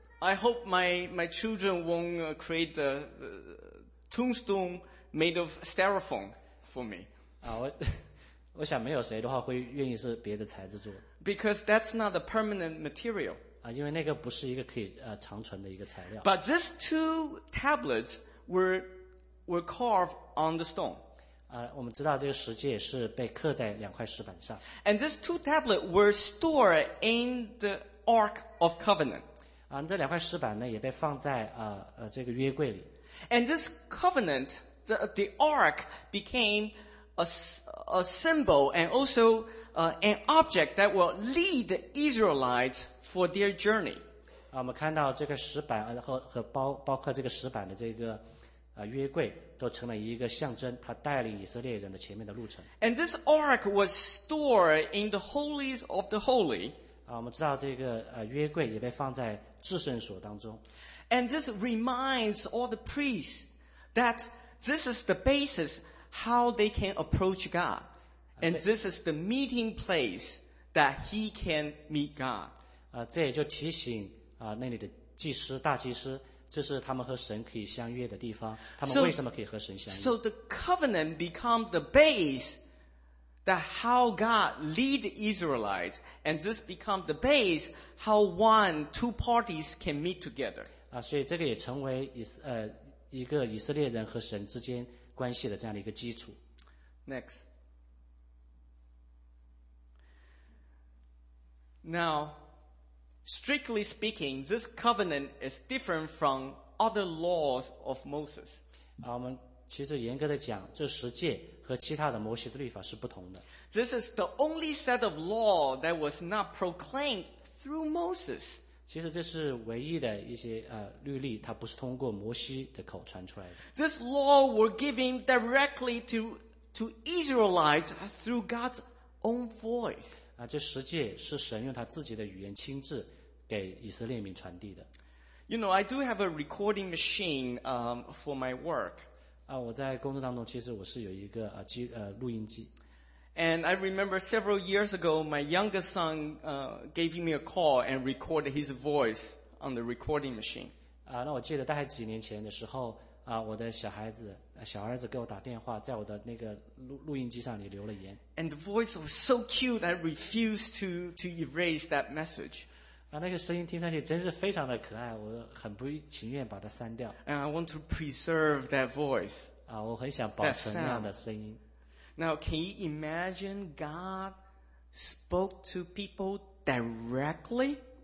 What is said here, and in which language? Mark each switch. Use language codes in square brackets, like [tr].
[en] I hope my children won't create a tombstone made of styrofoam for me. [zh] 我想没有谁的话会愿意是别的材质做的。 [en] Because that's not a permanent material. [zh] 因为那个不是一个可以长存的一个材料。 [en] But these two tablets were carved on the stone. [zh] 我们知道这个石戒是被刻在两块石板上。 [en] And these two tablets were stored in the Ark of Covenant. [zh] 这两块石板呢也被放在这个约柜里。 [en] And this covenant, the ark became a symbol and also an object that will lead Israelites for their journey. [zh] 我们看到这个石板和包括这个石板的这个约柜都成了一个象征，它带领以色列人的前面的路程。 [en] And this ark was stored in the holies of the holy. [zh] 我们知道这个约柜也被放在至圣所当中。 [en] And this reminds all the priests that this is the basis how they can approach God. And this is the meeting place that he can meet God. [zh] 这也就提醒那里的祭司、大祭司，这是他们和神可以相约的地方。他们为什么可以和神相约？ [en] So the covenant becomes the base. That how God lead Israelites, and this become the base how one two parties can meet together. [zh] 所以这个也成为一个以色列人和神之间关系的这样的一个基础。 [en] Next, now, strictly speaking, this covenant is different from other laws of Moses. [zh] 我们其实严格的讲，这十诫和其他的摩西的律法是不同的。 [en] This is the only set of law that was not proclaimed through Moses. [zh] 其实这是唯一的一些律例，它不是通过摩西的口传出来的。 [en] This law were given directly to Israelites through God's own voice. [zh] 这十诫是神用他自己的语言亲自给以色列民传递的。 [en] You know, I do have a recording machine for my work. [zh] 我在工作当中其实我是有一个录音机。 [en] And I remember several years ago, my youngest son gave me a call and recorded his voice on the recording machine. [zh] 那我记得大概几年前的时候我的小儿子给我打电话，在我的那个录音机上也留了言。 [en] And the voice was so cute, I refused to erase that message. [zh] 那个声音听上去真是非常的可爱，我很不情愿把它删掉。 [en] And I want to preserve that voice. [zh] 我很想保存那样的声音。 [en] Now, can you imagine God spoke to people directly?